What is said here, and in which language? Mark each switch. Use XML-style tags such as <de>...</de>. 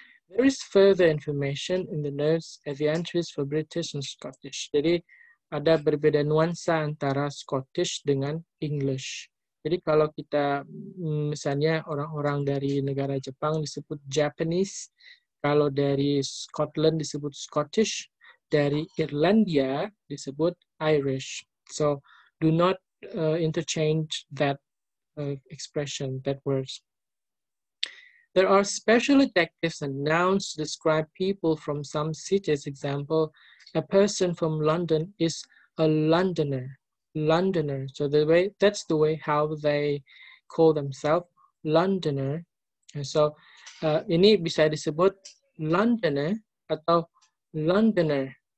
<en>There is further information in the notes at the entries for British and Scottish. Jadi</en> <id>ada berbeda nuansa antara Scottish dengan English. Jadi kalau kita misalnya orang-orang dari negara Jepang disebut Japanese, kalau dari Scotland disebut Scottish, dari Irlandia disebut Irish.</id> <en>So do not interchange that expression, that words. There are special adjectives and nouns to describe people from some cities. Example, a person from London is a Londoner. Londoner. So the way that's the way how they call themselves, Londoner. And so</en> <id>ini bisa disebut Londoner atau Londoner.</id>